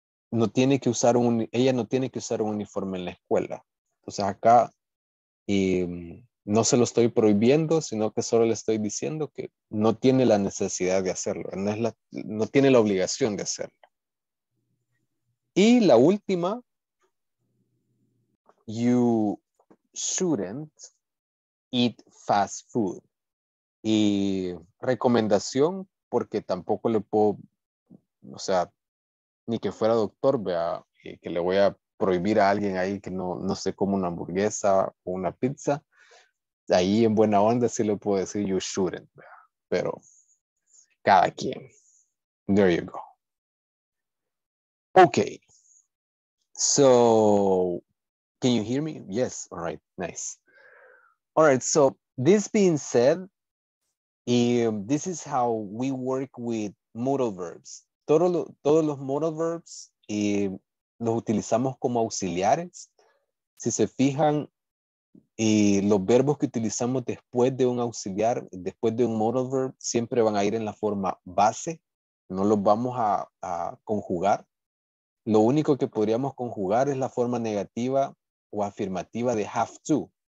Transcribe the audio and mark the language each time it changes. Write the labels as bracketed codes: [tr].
[es] no tiene que usar un, ella no tiene que usar un uniforme en la escuela. Entonces acá no se lo estoy prohibiendo, sino que solo le estoy diciendo que no tiene la necesidad de hacerlo, no, es la, no tiene la obligación de hacerlo. Y la última, [en] you shouldn't eat fast food. [es] Y recomendación, porque tampoco le puedo, o sea, ni que fuera doctor, vea, que le voy a prohibir a alguien ahí que no, no sé, como una hamburguesa o una pizza. Ahí en buena onda sí le puedo decir you shouldn't, vea, pero cada quien. [en] There you go. Okay. So, can you hear me? Yes. All right. Nice. All right. So, this being said, this is how we work with modal verbs. [es] Todos los modal verbs los utilizamos como auxiliares. Si se fijan, los verbos que utilizamos después de un auxiliar, después de un modal verb, siempre van a ir en la forma base. No los vamos a conjugar. Lo único que podríamos conjugar es la forma negativa o afirmativa de have to.